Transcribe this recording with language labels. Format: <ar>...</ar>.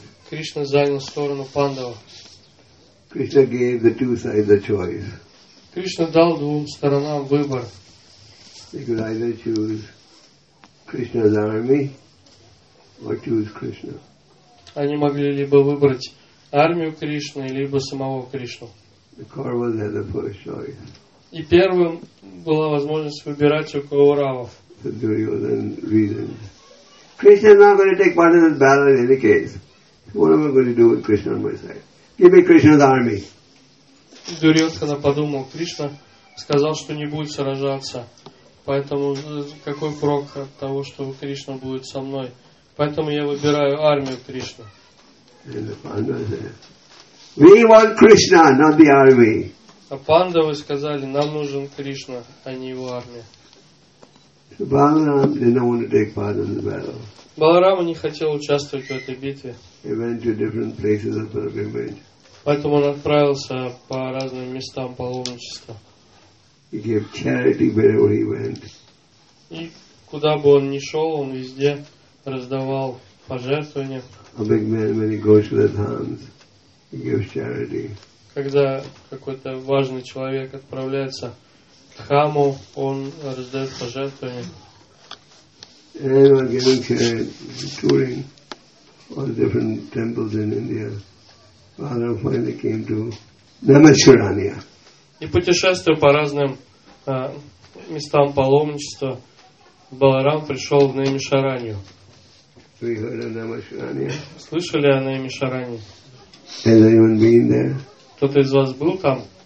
<ru>Кришна занял сторону Пандава.</ru> <en>Krishna gave the two sides a choice.</en> <ru>Кришна дал двум сторонам выбор.</ru> <en>They could either choose Krishna's army or choose Krishna.</en> <ru>Они могли либо выбрать армию Кришны, либо самого Кришну.</ru> <en>The Kauravas had the first choice.</en> <ru>И первым была возможность выбирать у Кауравов.</ru> <en>So Duryodhan reasoned. Krishna is not going to take part in this battle in any case. What am I going to do with Krishna on my side? Give me Krishna's army.</en> <ru>Дурьотхана подумал, Кришна сказал, что не будет сражаться. Поэтому какой прок от того, что Кришна будет со мной? Поэтому я выбираю армию Кришны.</ru> <en>We want Krishna, not the army.</en> <ru>А пандавы сказали, нам нужен Кришна, а не его армия.</ru> <en>So Balaram didn't want to take part in the battle.</en> <ru>Баларама не хотел участвовать в этой битве.</ru> <en>He went to different places of pilgrimage.</en> <ru>Поэтому он отправился по разным местам паломничества.</ru> <en>He gave charity wherever he went.</en> <ru>И куда бы он ни шел, он везде раздавал пожертвования.</ru> <en>A big man, when he goes to the towns, he gives charity.</en> <ru>Когда какой-то важный человек отправляется к храму, он раздает пожертвования.</ru> <en>And we're giving charity touring all different temples in India. Father finally came to Namacharanya.</en> <ru>И путешествуя по разным местам паломничества, Баларам пришел в Наймишаранью.</ru> <en>We heard of Намашараня.</en> <ru>Слышали о Наймишаране?</ru> <en>Has anyone been there? Кто-то из вас был там?</en>